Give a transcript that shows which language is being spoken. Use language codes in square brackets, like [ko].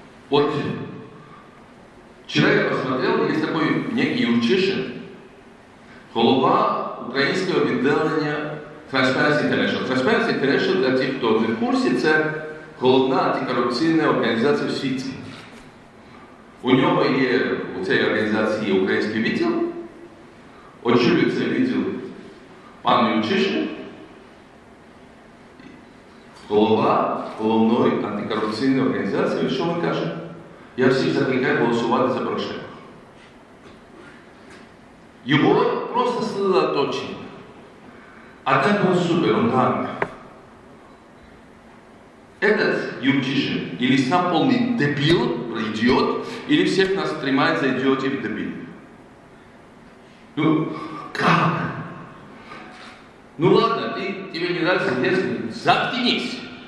[ru] Вот вчера я посмотрел, есть такой некий Юрчишин, голова украинского отделения Transparency International. Transparency International, для тех, кто не в курсе, это [uk] головна антикоррупційна організація в світі. У нього є, у цієї організації є український відділ, очолює цей відділ пан Юрчишин, голова головної антикорупційної організації, що він каже? Я всіх закликаю голосувати за Порошенка. Його просто слила точення. А так він супер, он там. [ru] Этот Юрчишин или сам полный дебил, идиот, или всех нас тримает за идиотов и дебил. Ну, как? Ну ладно, тебе не нравится детский, заткнись.